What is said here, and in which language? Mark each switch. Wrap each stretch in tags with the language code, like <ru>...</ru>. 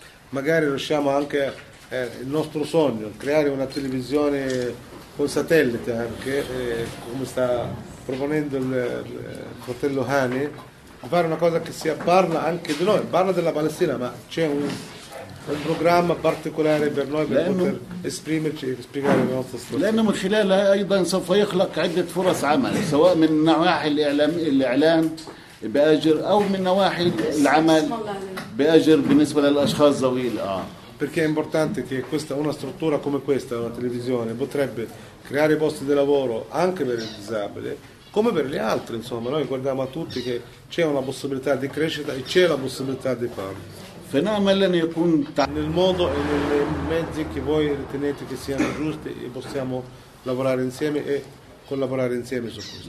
<it>Magari riusciamo anche, il nostro sogno, creare una televisione con satellite anche, come sta proponendo il fratello Hani, fare una cosa che sia parla anche di noi, parla della Palestina, ma c'è un programma particolare per noi per poter esprimerci e spiegare la nostra storia.</it> <ar>لأنه من خلالها أيضا سوف يخلق عدة فرص عمل سواء من نواحي الإعلام بأجر أو من نواحي العمل بأجر بالنسبة للأشخاص ذوي الإعاقة.</ar> <it>Perché è importante che questa, una struttura come questa, una televisione, potrebbe creare posti di lavoro anche per il disabile, come per gli altri, insomma. Noi guardiamo a tutti che c'è una possibilità di crescita e c'è la possibilità di farlo. Nel modo e nei mezzi che voi ritenete che siano giusti e possiamo lavorare insieme e collaborare insieme su questo.</it>